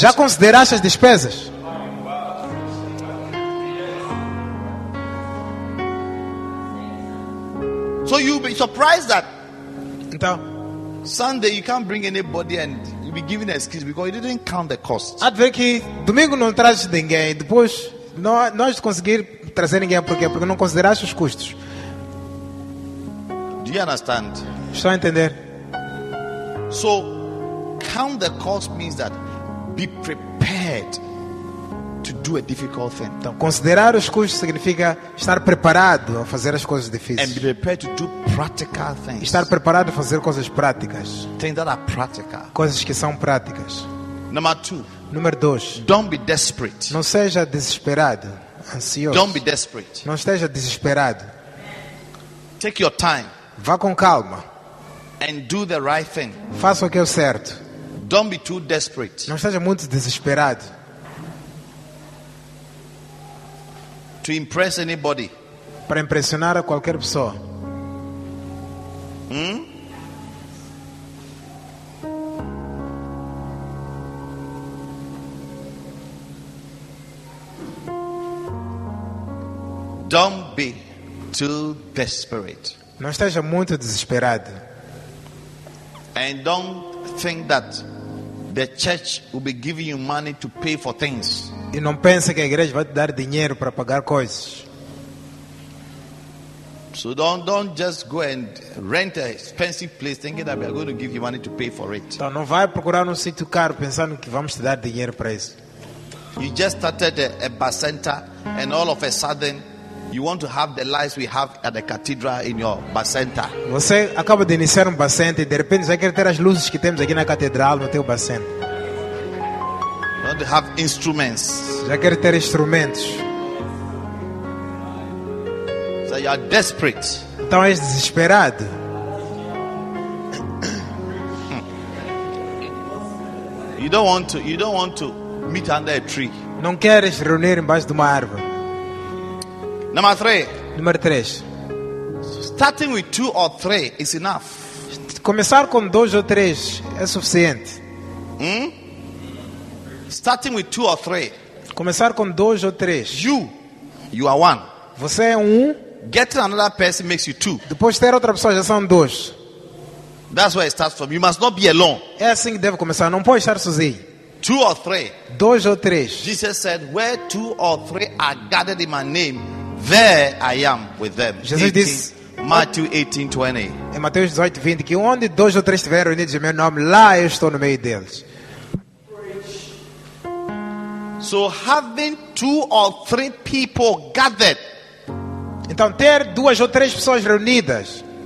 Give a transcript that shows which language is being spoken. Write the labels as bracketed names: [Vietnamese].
[Portuguese] Já consideraste as despesas? [English] So you'll be surprised that [Portuguese] então, [English] Sunday you can't bring anybody and you'll be giving an excuse because you didn't count the cost. [Portuguese] Adver que domingo não traz ninguém, depois não vais conseguir trazer ninguém porque não consideraste os custos. [English] Do you understand? [Portuguese] Estou a entender. [English] So count the cost means that be prepared to do a difficult thing. [Portuguese] Então, considerar os custos significa estar preparado a fazer as coisas difíceis. [English] And be prepared to do practical things. [Portuguese] Estar preparado a fazer coisas práticas. [English] Things that are practical. [Portuguese] Coisas que são práticas. [English] Number two. [Portuguese] Número dois. [English] Don't be desperate. [Portuguese] Não seja desesperado, ansioso. [English] Don't be desperate. [Portuguese] Não esteja desesperado. [English] Take your time. [Portuguese] Vá com calma. [English] And do the right thing. [Portuguese] Faça o que é o certo. [English] Don't be too desperate. [Portuguese] Não esteja muito desesperado. [English] To impress anybody. [Portuguese] Para impressionar a qualquer pessoa. [English] Don't be too desperate. [Portuguese] Não esteja muito desesperado. [English] And don't think that the church will be giving you money to pay for things. [Portuguese] E não pense que a igreja vai te dar dinheiro para pagar coisas. [English] So don't just go and rent a expensive place thinking that we are going to give you money to pay for it. [Portuguese] Então não vai procurar um sítio caro pensando que vamos te dar dinheiro para isso. [English] You just started a bus center and all of a sudden you want to have the lights we have at the cathedral in your bus center. [Portuguese] Você acaba de iniciar um bus center e de repente você quer ter as luzes que temos aqui na catedral no teu bus center. [English] Want to have instruments? [Portuguese] Já quer ter instrumentos. [English] So you are desperate. [Portuguese] Então és desesperado. [English] You don't want to meet under a tree. [Portuguese] Não queres reunir embaixo de uma árvore. [English] Number three. [Portuguese] Número três. [English] So Starting with two or three is enough. [Portuguese] Começar com dois ou três é suficiente. [English] Starting with two or three. [Portuguese] Começar com dois ou três. [English] You are one. [Portuguese] Você é [English] Getting another person makes you two. [Portuguese] Depois ter outra pessoa já são dois. [English] That's where it starts from. You must not be alone. [Portuguese] É assim que deve começar. Não pode estar sozinho. [English] Two or three. [Portuguese] Dois ou três. [English] Jesus said, "Where two or three are gathered in my name, there I am with them." [Portuguese] Jesus disse. [English] Matthew 18:20. [Portuguese] Em Mateus 18:20, que onde dois ou três estiverem reunidos em meu nome, lá eu estou no meio deles. [English] So having two or three people gathered. [Portuguese] Então ter duas ou três pessoas reunidas.